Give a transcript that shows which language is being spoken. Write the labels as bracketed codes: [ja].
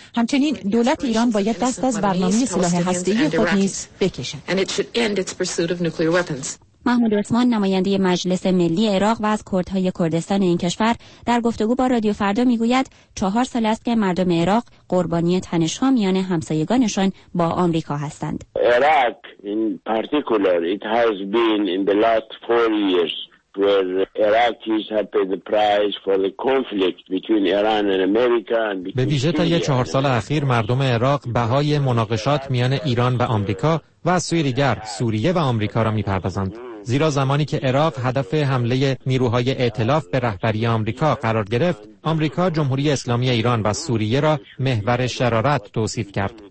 [fa] همچنین دولت ایران باید دست از برنامه سلاح هسته‌ای خود نیز بکشد. محمود عثمان نماینده مجلس ملی عراق و از کردهای کردستان این کشور در گفتگو با رادیو فردا می گوید 4 سال است که مردم عراق قربانی تنش‌ها میان همسایگانشان با آمریکا هستند. [en] عراق in particular it has been in the last 4 years where Iraqis have paid the price for the conflict between Iran and America and between [fa] به ویژه تا 4 سال اخیر مردم عراق بهای مناقشات میان ایران و آمریکا و از سوی دیگر سوریه و آمریکا را می‌پردازند. زیرا زمانی که عراق هدف حمله نیروهای ائتلاف به رهبری آمریکا قرار گرفت، آمریکا جمهوری اسلامی ایران و سوریه را محور شرارت توصیف کرد.